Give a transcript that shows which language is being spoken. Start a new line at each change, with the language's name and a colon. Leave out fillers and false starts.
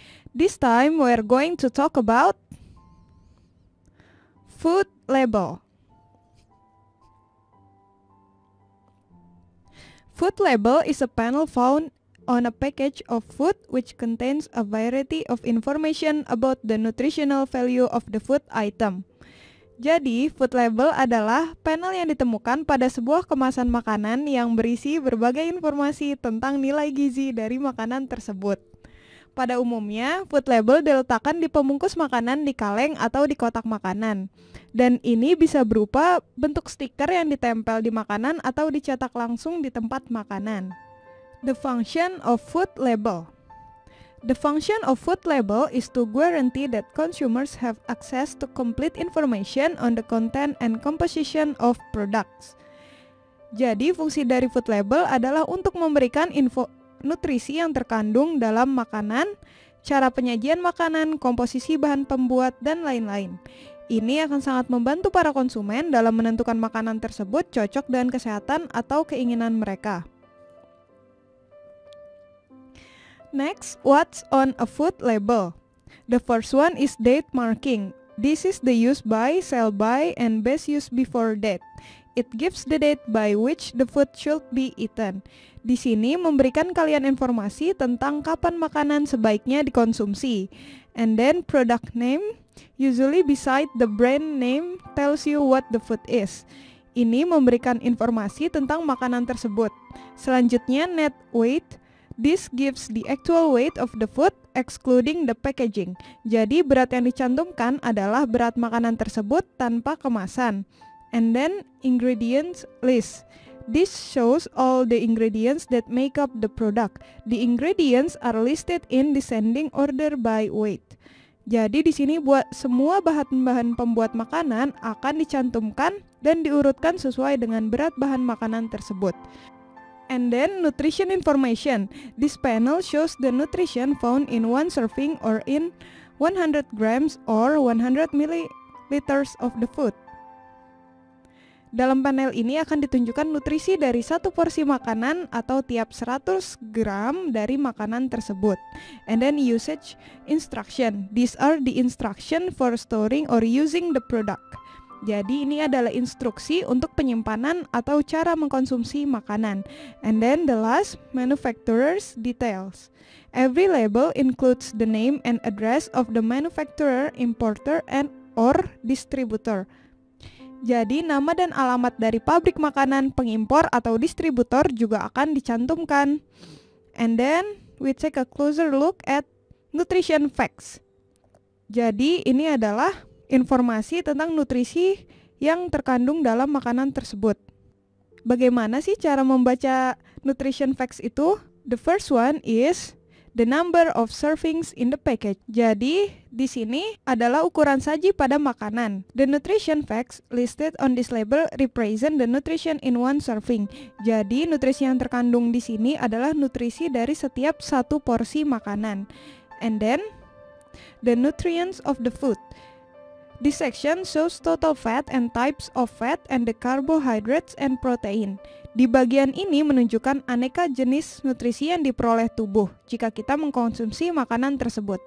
English: This time we're going to talk about food label. Food label is a panel found on a package of food which contains a variety of information about the nutritional value of the food item.
Indonesian: Jadi, food label adalah panel yang ditemukan pada sebuah kemasan makanan yang berisi berbagai informasi tentang nilai gizi dari makanan tersebut. Pada umumnya, food label diletakkan di pembungkus makanan di kaleng atau di kotak makanan. Dan ini bisa berupa bentuk stiker yang ditempel di makanan atau dicetak langsung di tempat makanan.
English: The function of food label. The function of food label is to guarantee that consumers have access to complete information on the content and composition of products.
Indonesian: Jadi, fungsi dari food label adalah untuk memberikan info nutrisi yang terkandung dalam makanan, cara penyajian makanan, komposisi bahan pembuat, dan lain-lain. Ini akan sangat membantu para konsumen dalam menentukan makanan tersebut cocok dengan kesehatan atau keinginan mereka.
English: Next, what's on a food label? The first one is date marking. This is the use by, sell by, and best use before date. It gives the date by which the food should be eaten.
Indonesian: Di sini memberikan kalian informasi tentang kapan makanan sebaiknya dikonsumsi.
English: And then product name, usually beside the brand name, tells you what the food is.
Indonesian: Ini memberikan informasi tentang makanan tersebut. Selanjutnya, net weight.
English: This gives the actual weight of the food, excluding the packaging.
Indonesian: Jadi, berat yang dicantumkan adalah berat makanan tersebut tanpa kemasan.
English: And then, ingredients list. This shows all the ingredients that make up the product. The ingredients are listed in descending order by weight.
Indonesian: Jadi, di sini buat semua bahan-bahan pembuat makanan akan dicantumkan dan diurutkan sesuai dengan berat bahan makanan tersebut.
English: And then nutrition information. This panel shows the nutrition found in one serving or in 100 grams or 100 milliliters of the food.
Indonesian: Dalam panel ini akan ditunjukkan nutrisi dari satu porsi makanan atau tiap 100 gram dari makanan tersebut.
English: And then usage instruction. These are the instruction for storing or using the product.
Indonesian: Jadi ini adalah instruksi untuk penyimpanan atau cara mengkonsumsi makanan.
English: And then the last, manufacturer's details. Every label includes the name and address of the manufacturer, importer, and or distributor.
Indonesian: Jadi nama dan alamat dari pabrik makanan, pengimpor, atau distributor juga akan dicantumkan.
English: And then we take a closer look at nutrition facts.
Indonesian: Jadi ini adalah informasi tentang nutrisi yang terkandung dalam makanan tersebut. Bagaimana sih cara membaca nutrition facts itu?
English: The first one is the number of servings in the package.
Indonesian: Jadi, di sini adalah ukuran saji pada makanan.
English: The nutrition facts listed on this label represent the nutrition in one serving.
Indonesian: Jadi, nutrisi yang terkandung di sini adalah nutrisi dari setiap satu porsi makanan.
English: And then, the nutrients of the food. This section shows total fat and types of fat and the carbohydrates and protein.
Indonesian: Di bagian ini menunjukkan aneka jenis nutrisi yang diperoleh tubuh jika kita mengkonsumsi makanan tersebut.